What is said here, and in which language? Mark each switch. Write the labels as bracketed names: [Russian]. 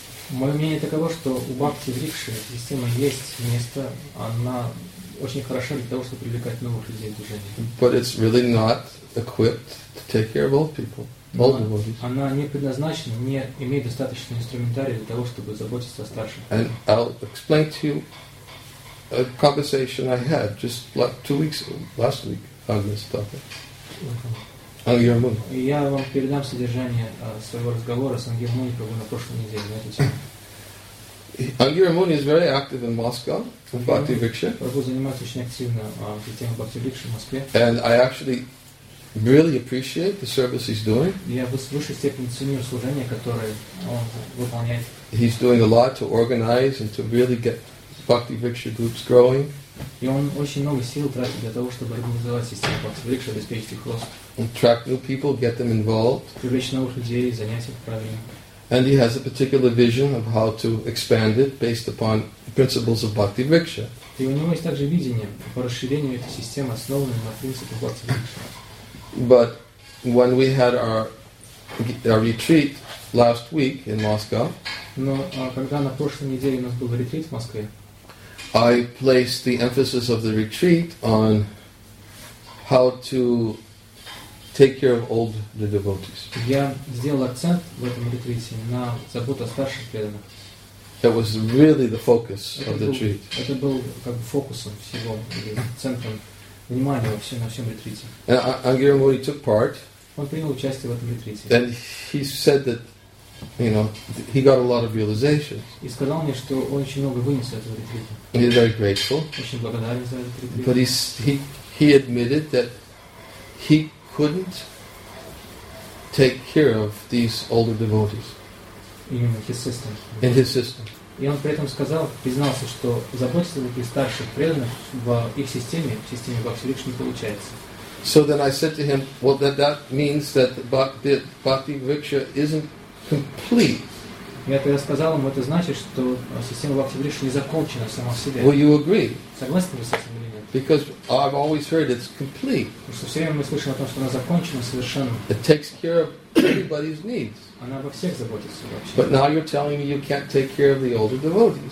[Russian] Мое мнение таково, что у Бхакти Врикши система есть место, она очень хороша для того, чтобы привлекать новых людей в движение. [English] But it's really not equipped to take care of old people, old devotees. [Russian] Она не предназначена, не имеет достаточного инструментария для того, чтобы заботиться о старших. [English] And I'll explain to you a conversation I had just like 2 weeks last week on this topic. [Russian] И я вам передам содержание своего разговора с Ангир Муни на прошлой неделе. [English] Ангир Муни is very active in Moscow for Bhakti Vriksha. [Russian] Прабху занимается очень активно системой Бхакти Врикши в Москве. [English] And I actually really appreciate the service he's doing. [Russian] Я в высшей степени ценю служение, которое он выполняет. [English] He's doing a lot to organize and to really get Bhakti Vriksha groups growing. [Russian] И он очень много сил тратит для того, чтобы организовать систему Бхакти Врикши, обеспечить их рост. [English] Attract new people, get them involved. [Russian] Привлечь новых людей, занять их правильно. [English] And he has a particular vision of how to expand it based upon the principles of Bhakti Vriksha. [Russian] И у него есть также видение по расширению этой системы, основанной на принципах Бхакти Врикши. [English] But when we had our retreat last week in Moscow, [Russian] но когда на прошлой неделе у нас был ретрит в Москве, [English] I placed the emphasis of the retreat on how to take care of old the devotees. [Russian] Я сделал акцент в этом ретрите на заботу о старших преданных. [English] That was really the focus of the retreat. [Russian] Это был как бы фокусом всего, центром внимания на всем ретрите. [English] Ангира Муни took part. [Russian] Он принял участие в этом ретрите. [English] And he said that You know, he got a lot of realizations. [Russian] И сказал мне, что он очень много вынес этого ретрита. [English] He's very grateful. [Russian] Очень благодарен за этот ретрит. [English] But he admitted that he couldn't take care of these older devotees. [Russian] Именно [English] his system. In his system. [Russian] И он при этом сказал, признался, что заботиться о таких старших преданных в их системе, в системе Бхакти Викши не получается. [English] So then I said to him, well, that means that the Bhakti Viksha isn't complete. [Russian] Я тогда сказал ему, это значит, что система Бхакти Викши не закончена сама в себе. [English] Will you agree? [Russian] Согласны ли вы с этим или нет? [English] Because I've always heard it's complete. [Russian] Потому что все время мы слышим о том, что она закончена совершенно. [English] It takes care of everybody's needs. [Russian] Она обо всех заботится вообще. [English] But now you're telling me you can't take care of the older devotees.